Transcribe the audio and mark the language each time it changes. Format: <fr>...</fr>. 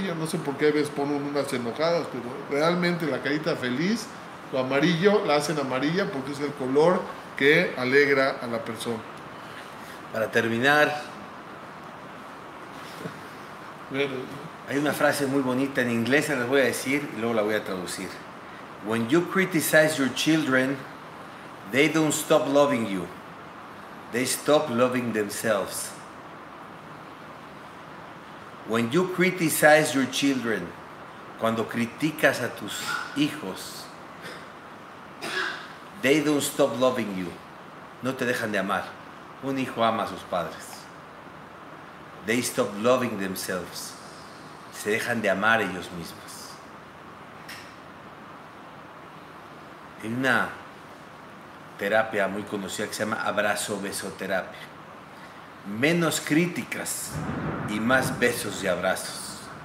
<es>Amarillo, no sé por qué a veces ponen unas enojadas, pero realmente la carita feliz, lo amarillo, la hacen amarilla porque es el color que alegra a la persona. Para terminar, hay una frase muy bonita en inglés, se las voy a decir y luego la voy a traducir.</es> <en>When you criticize your children, they don't stop loving you. They stop loving themselves. When you criticize your children,</en> <es>cuando criticas a tus hijos,</es> <en>they don't stop loving you.</en> <es>No te dejan de amar. Un hijo ama a sus padres.</es> <en>They stop loving themselves.</en> <es>Se dejan de amar ellos mismos. Hay una terapia muy conocida que se llama abrazo-besoterapia. Menos críticas y más besos y abrazos.</es>